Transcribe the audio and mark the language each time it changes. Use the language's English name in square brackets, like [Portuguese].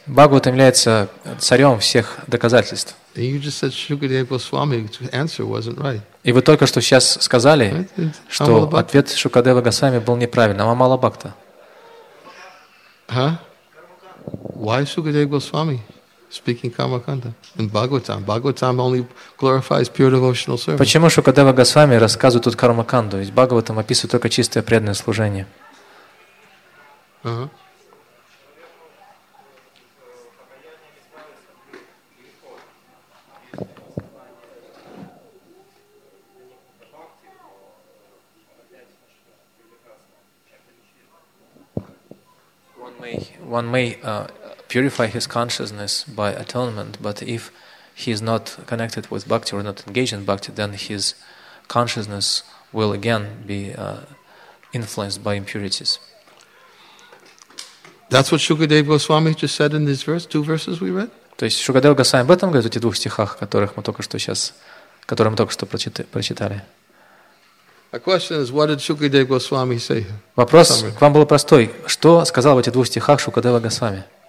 [Russian] Бхагаватам является царем всех доказательств. [English] And you just said Shukadeva Goswami's answer wasn't right. [Russian] И вы только что сейчас сказали, что ответ Шукадева Госвами был неправильным. Амала Бхакта. Huh? [English] Why Shukadeva Goswami speaking Kamakanda in Bhagavatam? Bhagavatam only glorifies pure devotional service. [Russian] Почему Шукадева Госвами рассказывает тут Кармаканду? Ведь Бхагаватам описывает только чистое преданное служение. [English] One may purify his consciousness by atonement, but if he is not connected with bhakti or not engaged in bhakti, then his consciousness will again be influenced by impurities. That's what Shukadeva Goswami just said in these verse, two verses we read. [Russian] То есть Шукадева Госвами об этом говорит в этих двух стихах, которые мы только что прочитали. [English] A question is, what did Shukadeva Goswami say? [Russian] Вопрос к вам был простой. Что сказал в этих двух стихах Шукадева Госвами?